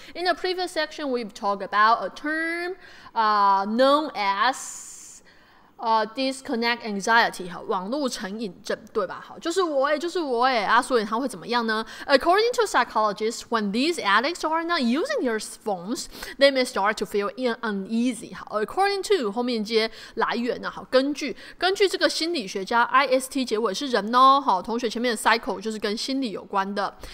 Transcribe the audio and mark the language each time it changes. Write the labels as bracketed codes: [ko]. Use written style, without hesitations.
[en] In the previous section, we've talked about a term known as disconnect anxiety, 哈，网络成瘾症，对吧？ [zh] 好，就是我耶，就是我耶，啊，所以它会怎么样呢？ [en] According to psychologists, when these addicts are not using their phones, they may start to feel uneasy, 哈。 [zh] According to, 后面接来源呢，好，根据这个心理学家 IST 结尾是人哦，好，同学前面的 cycle 就是跟心理有关的。